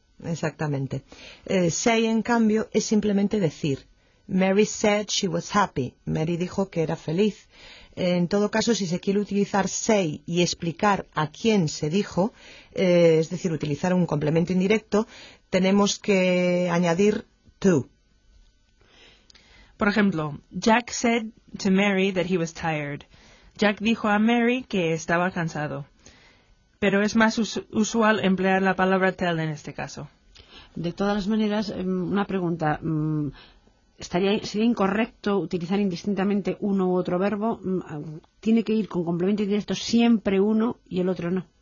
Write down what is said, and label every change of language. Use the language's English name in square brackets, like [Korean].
[Spanish] Exactamente. Say, en cambio, es simplemente decir. [English] Mary said she was happy. [Spanish] Mary dijo que era feliz. En todo caso, si se quiere utilizar say y explicar a quién se dijo, es decir, utilizar un complemento indirecto, tenemos que añadir to. Por ejemplo, [English] Jack said to Mary that he was tired. [Spanish] Jack dijo a Mary que estaba cansado. Pero es más usual emplear la palabra tell en este caso. De todas las maneras, una pregunta. ¿Sería incorrecto utilizar indistintamente uno u otro verbo? ¿Tiene que ir con complemento indirecto siempre uno y el otro no?